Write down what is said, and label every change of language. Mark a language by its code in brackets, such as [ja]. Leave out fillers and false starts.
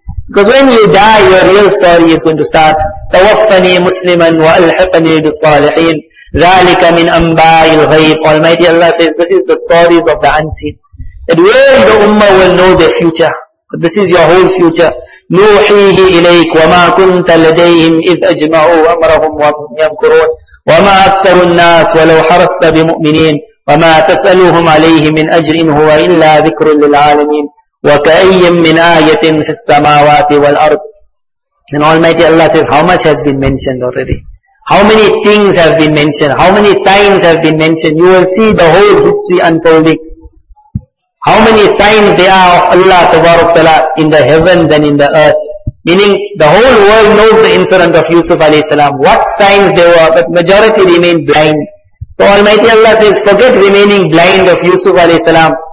[en] Because when you die, your real story is going to start. [ar] تَوَفَّنِي مُسْلِمًا وَأَلْحِقْنِي بِالصَّالِحِينَ ذَلِكَ مِنْ أَنْبَاءِ الْغَيْبِ [en] Almighty Allah says, this is the stories of the unseen. That where the ummah will know their future. But this is your whole future. [ar] نُوحِيهِ إِلَيْكَ وَمَا كُنْتَ لَدَيْهِمْ إِذْ أَجْمَعُوا أَمْرَهُمْ وَهُمْ يَمْكُرُونَ وَمَا أَكْثَرُ النَّاسِ وَلَوْ حَرَصْتَ بِمُؤْمِنِينَ وَمَا تَسْأَلُهُمْ عَلَيْهِ مِنْ أَجْرٍ هُوَ إِلَّا ذِكْرٌ لِلْعَالَمِينَ وَكَأَيٍّ مِنْ آيَةٍ فِي السَّمَاوَاتِ وَالْأَرْضِ [en] And Almighty Allah says, how much has been mentioned already? How many things have been mentioned? How many signs have been mentioned? You will see the whole history unfolding. How many signs there are of Allah Tabarakala in the heavens and in the earth? Meaning, the whole world knows the incident of Yusuf alayhi salam. What signs there were, but majority remained blind. So Almighty Allah says, forget remaining blind of Yusuf alayhi salam.